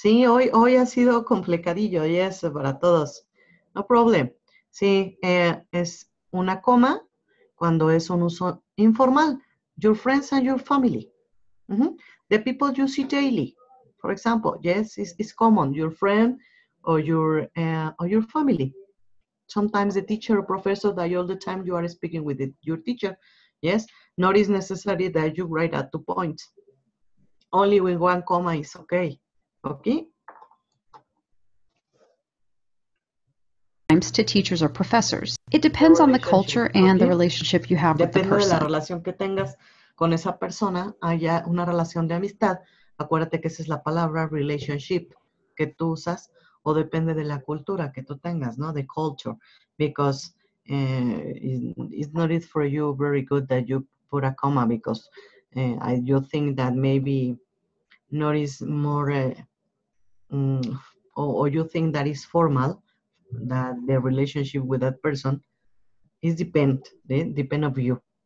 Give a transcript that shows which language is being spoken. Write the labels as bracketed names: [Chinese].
[Spanish] Sí, hoy ha sido complicadillo, [English] yes, [Spanish] para todos. [English] No problem. [Spanish] Sí, es una coma cuando es un uso informal. [English] Your friends and your family. Mm-hmm. The people you see daily. For example, yes, it's common, your friend or your family. Sometimes the teacher or professor that all the time you are speaking with your teacher, yes? Not is necessary that you write at 2 points. Only with one comma is okay, okay? Times to teachers or professors. It depends on the culture and the relationship you have with the person. [Spanish] Depende de la relación que tengas con esa persona, haya una relación de amistad. Acuérdate que esa es la palabra relationship que tú usas, o depende de la cultura que tú tengas, ¿no? [English] The culture, because it's not it for you very good that you put a comma, because you think that maybe not is more, or you think that is formal, that the relationship with that person is depend of you.